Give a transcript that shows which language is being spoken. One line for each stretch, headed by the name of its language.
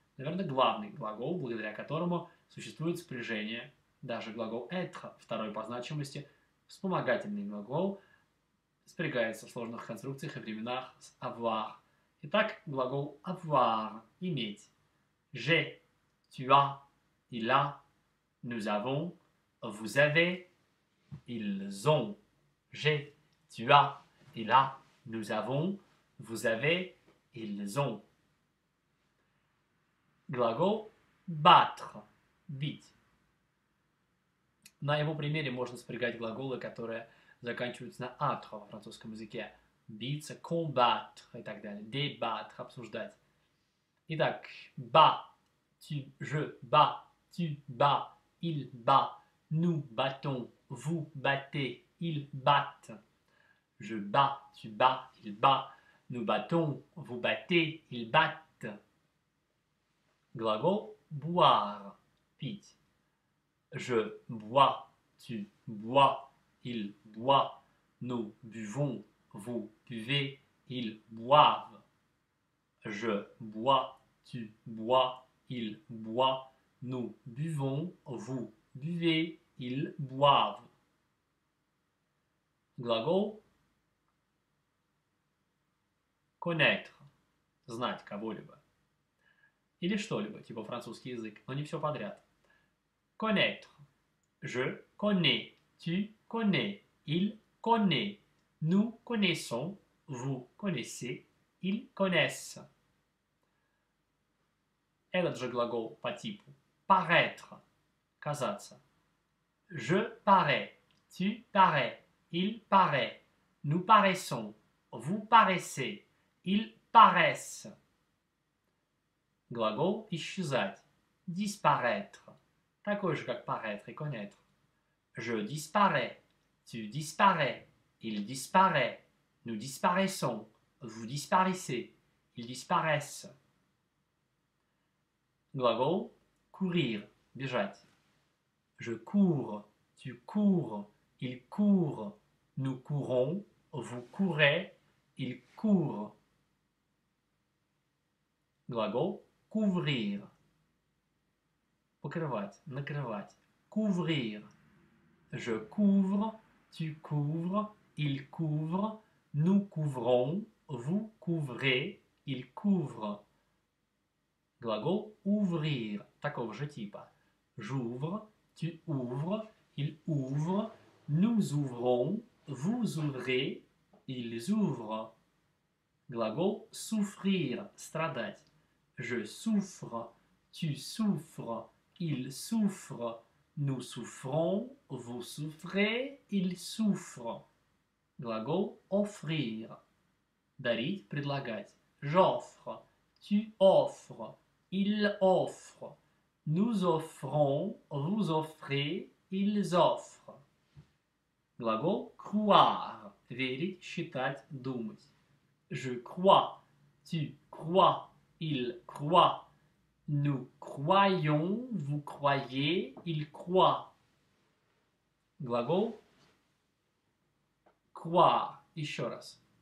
Russian: Наверное, главный глагол, благодаря которому существует спряжение. Даже глагол être, второй по значимости, вспомогательный глагол, спрягается в сложных конструкциях и временах с avoir. Итак, глагол avoir, иметь.
French: J'ai, tu as. Il a, nous avons, vous avez, ils ont. J'ai, tu as, il a, nous avons, vous avez, ils ont.
Russian: Глагол battre, бить. На его примере можно спрягать глаголы, которые заканчиваются на «-atre» в французском языке. Биться, combattre и так далее. Débattre, обсуждать. Итак,
French: bat, tu, je, bat. Tu bats, il bat, nous battons, vous battez, ils battent. Je bats, tu bats, il bat, nous battons, vous battez, ils battent.
Russian: Glagol
French: boire,
Russian: pit.
French: Je bois, tu bois, il boit, nous buvons, vous buvez, ils boivent. Je bois, tu bois, il boit. Nous buvons, vous buvez, ils boivent.
Russian: Глагол connaître, знать кого-либо. Или что-либо, типа французский язык, но не все подряд.
French: Connaître. Je connais, tu connais, il connaît. Nous connaissons, vous connaissez, ils connaissent.
Russian: Этот же глагол по типу. Paraître, казаться.
French: Je parais, tu parais, il parait, nous paraissons, vous paraissez, ils paraissent.
Russian: Глагол исчезать. Disparaître. Такой же, как paraître и connaître.
French: Je disparais. Tu disparais. Il disparaît. Nous disparaissons. Vous disparaissez. Ils disparaissent.
Russian: Глагол courir. Бежать.
French: Je cours. Tu cours. Il court. Nous courons. Vous courez. Il court.
Russian: Глагол couvrir. Покрывать, накрывать. Couvrir.
French: Je couvre, tu couvres, il couvre, nous couvrons, vous couvrez, il couvre.
Russian: Глагол ouvrir, такого же типа.
French: J'ouvre, tu ouvres, il ouvre, nous ouvrons, vous ouvrez, ils ouvrent.
Russian: Глагол souffrir, страдать.
French: Je souffre, tu souffres, il souffre, nous souffrons, vous souffrez, il souffre.
Russian: Глагол offrir. Дарить, предлагать.
French: J'offre, tu offres, il offre, nous offrons, vous offrez, ils offrent.
Russian: Глагол croire. Верить, считать, думать.
French: Je crois, tu crois. Il croit. Nous croyons. Vous croyez. Il croit.
Russian: Глагол.
French: Croire.
Russian: Еще раз.